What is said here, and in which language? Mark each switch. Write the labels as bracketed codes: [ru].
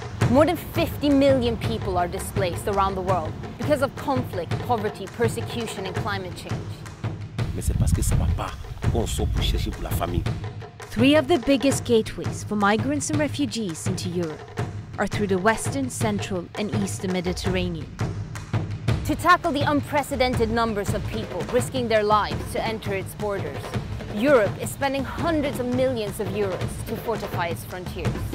[en] More than 50 million people are displaced around the world because of conflict, poverty, persecution, and climate change. [fr] Mais c'est parce que ça va pas qu'on sort pour chercher pour la famille. [en] Three of the biggest gateways for migrants and refugees into Europe are through the Western, Central, and Eastern Mediterranean. To tackle the unprecedented numbers of people risking their lives to enter its borders, Europe is spending hundreds of millions of euros to fortify its frontiers.